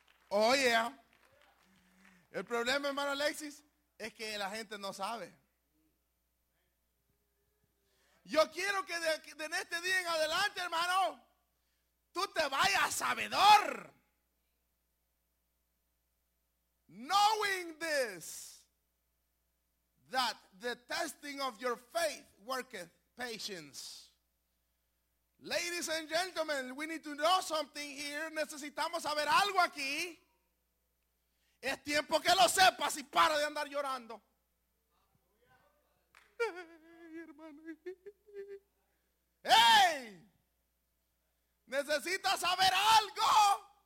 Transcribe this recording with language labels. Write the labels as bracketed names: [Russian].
[Spanish] Oye, el problema, hermano Alexis, es que la gente no sabe. Yo quiero que de en este día en adelante, hermano, tú te vayas sabedor. [English] Knowing this, that the testing of your faith worketh patience. Ladies and gentlemen, we need to know something here. [Spanish] Necesitamos saber algo aquí. Es tiempo que lo sepas y para de andar llorando. [English] Hey, [Spanish] hermano. Hey, necesitas saber algo.